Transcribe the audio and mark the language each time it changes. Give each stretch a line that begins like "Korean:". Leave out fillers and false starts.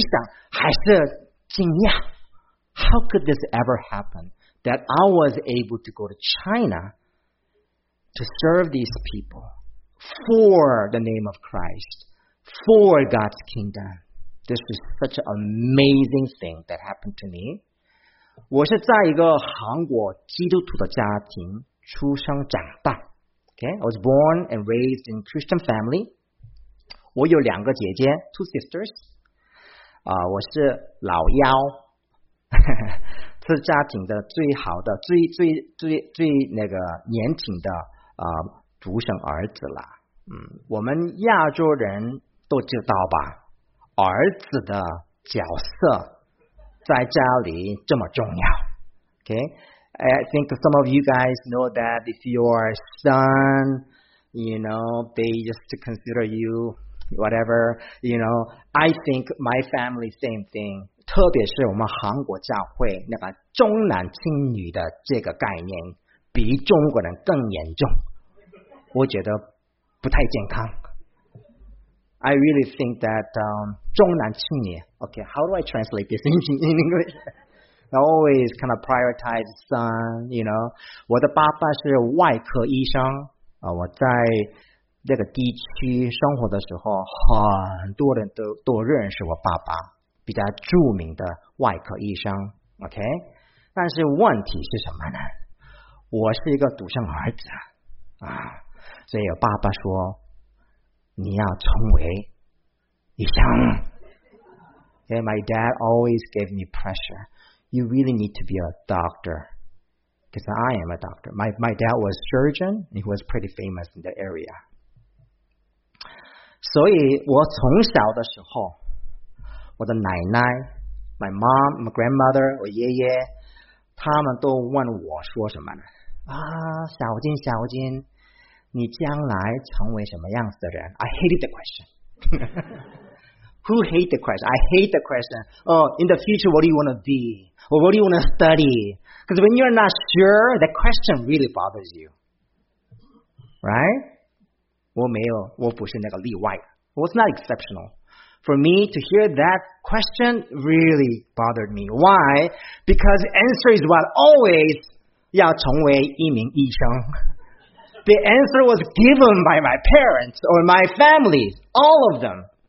Chinese: 上帝要用每一个人的独特的那个特点，还有优点，还有什么软弱都有，不是完美的人才可以做上帝的事情。我也没有想到，为了拯救一个少数民族，上帝会使用这个人，真的没有想到。现在我回想还是惊讶。
English: How could this ever happen that I was able to go to China to serve these people for the name of Christ, for God's kingdom? This is such an amazing thing that happened to me.
Chinese: 我是在一个韩国基督徒的家庭出生长大。
English: Okay? I was born and raised in a Christian family.
Chinese: 我有两个姐姐,
English: two sisters.
Chinese: 我是老幺。是家庭的最好的、最那个年轻的独生儿子了。我们亚洲人都知道吧，儿子的角色在家里这么重要。
English: Okay, I think some of you guys know that if you are a son, you know they just consider you whatever. You know, I think my family same thing.
Chinese: 特别是我们韩国教会那个重男轻女的这个概念比中国人更严重，我觉得不太健康。
English: I really think that
Chinese: 重男轻女
English: OK, how do I translate this in English? I always kind of prioritize son, you know.
Chinese: 我的爸爸是外科医生，我在那个地区生活的时候，很多人都认识我爸爸，比较著名的外科医生。 OK, 但是问题是什么呢？我是一个独生儿子啊，所以我爸爸说你要成为医生。
English: And my dad always gave me pressure. You really need to be a doctor, because I am a doctor. My dad was a surgeon. He was pretty famous in the area.
Chinese: 所以我从小的时候，我的奶奶
English: my mom, my grandmother,
Chinese: 我爷爷，他们都问我说什么呢？啊，小金小金，你将来成为什么样子的人？
English: I hated the question. Who hate the question? I hate the question. Oh, in the future, what do you want to be? Or what do you want to study? Because when you're not sure, the question really bothers you. Right?
Chinese: 我没有，我不是那个例外。
English: What's not exceptional? For me to hear that question really bothered me. Why? Because the answer is what? Always
Chinese: 要成为一名医生。
English: The answer was given by my parents or my family, all of them.